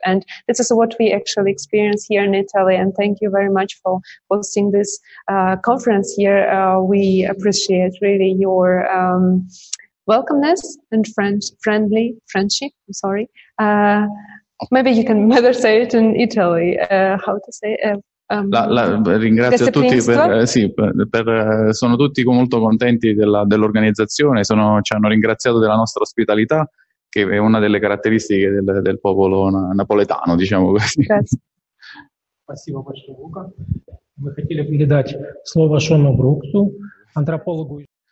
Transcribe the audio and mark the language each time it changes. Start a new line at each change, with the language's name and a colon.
English: And this is what we actually experience here in Italy. And thank you very much for hosting this conference here. We appreciate really your welcomeness and friendship. I'm sorry. Maybe you can better say it in Italy. How to say it?
Italian: Ringrazio tutti sono tutti molto contenti dell'organizzazione, ci hanno ringraziato della nostra ospitalità, che è una delle caratteristiche del popolo napoletano, diciamo così.
Russian: Спасибо большое, Лука. Мы хотели передать слово Шону Бруксу, антропологу.